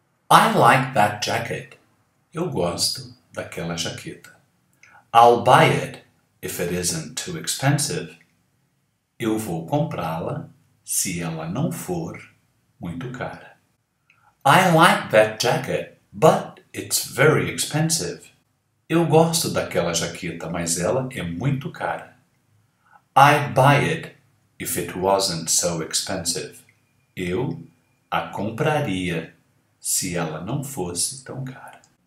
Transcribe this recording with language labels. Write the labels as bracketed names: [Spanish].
[English] I like that jacket. [Portuguese] Eu gosto daquela jaqueta. [English] I'll buy it if it isn't too expensive. [Portuguese] Eu vou comprá-la se ela não for muito cara. [English] I like that jacket, but it's very expensive. [Portuguese] Eu gosto daquela jaqueta, mas ela é muito cara. [English] I'd buy it if it wasn't so expensive. [Portuguese] Eu a compraria se ela não fosse tão cara.